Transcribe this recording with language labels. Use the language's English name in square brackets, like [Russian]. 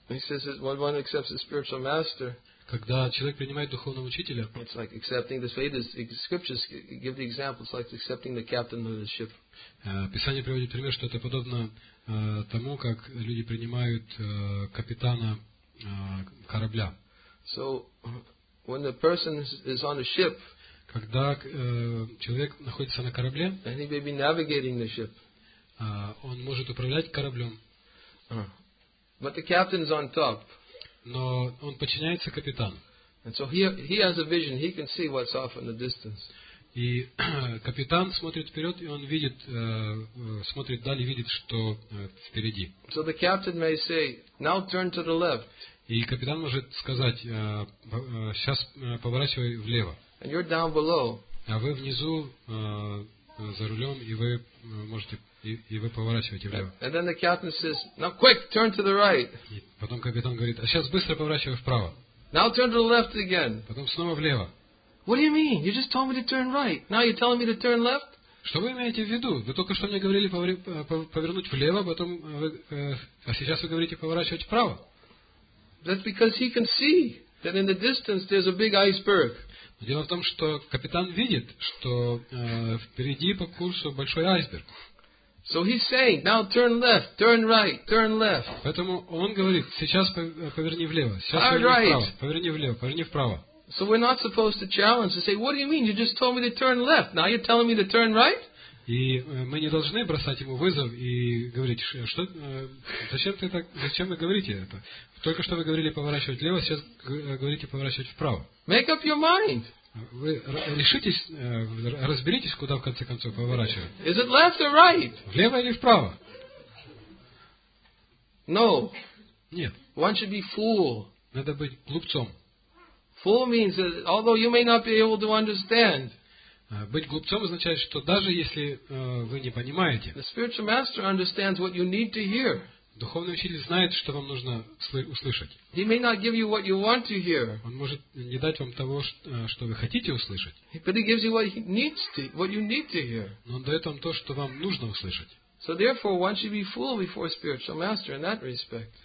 [English] He says that when one accepts a spiritual master, [Russian] когда человек принимает духовного учителя, [English] it's like accepting the Vedas, scriptures give the example, it's like accepting the captain of the ship. [Russian] Писание приводит пример, что это подобно тому, как люди принимают капитана корабля. [English] So when the person is on a ship, [Russian] когда человек находится на корабле, [English] and he may be navigating the ship, [Russian] он может управлять кораблем. [English] But the captain is on top. [Russian] Но он подчиняется капитану. [English] And so he has a vision, he can see what's off in the distance. [Russian] И капитан смотрит вперед, и он видит, смотрит далее, видит, что впереди. [English] So the captain may say, now turn to the left. [Russian] И капитан может сказать, сейчас поворачивай влево. [English] And you're down below. [Russian] А вы внизу за рулем, и вы можете и вы поворачиваете влево. [English] And then the captain says, now quick, turn to the right. [Russian] И потом капитан говорит, а сейчас быстро поворачивай вправо. [English] Now turn to the left again. [Russian] Потом снова влево. [English] What do you mean? You just told me to turn right. Now you're telling me to turn left? [Russian] Что вы имеете в виду? Вы только что мне говорили повернуть влево, потом а сейчас вы говорите поворачивать вправо. [English] That's because he can see that in the distance there's a big iceberg. [Russian] Дело в том, что капитан видит, что впереди по курсу большой айсберг. [English] So he's saying, now turn left, turn right, turn left. [Russian] Поэтому он говорит, сейчас поверни влево, сейчас поверни вправо, поверни влево, поверни вправо. [English] So we're not supposed to challenge and say, what do you mean? You just told me to turn left. Now you're telling me to turn right? [Russian] И мы не должны бросать ему вызов и говорить, что, зачем ты так, зачем вы говорите это? Только что вы говорили поворачивать влево, сейчас говорите поворачивать вправо. [English] Make up your mind. [Russian] Вы решитесь, разберитесь, куда в конце концов поворачивать. [English] Is it left or right? [Russian] Влево или вправо? [English] No. [Russian] Нет. [English] One should be fool. [Russian] Надо быть глупцом. [English] Fool means that although you may not be able to understand. [Russian] Быть глупцом означает, что даже если вы не понимаете. [English] The spiritual master understands what you need to hear. [Russian] Духовный учитель знает, что вам нужно услышать. [English] He may not give you what you want to hear. [Russian] Он может не дать вам того, что вы хотите услышать. [English] But he gives you what he needs to, what you need to hear. [Russian] Но он дает вам то, что вам нужно услышать. [English] So therefore, one should be fool before spiritual master in that respect.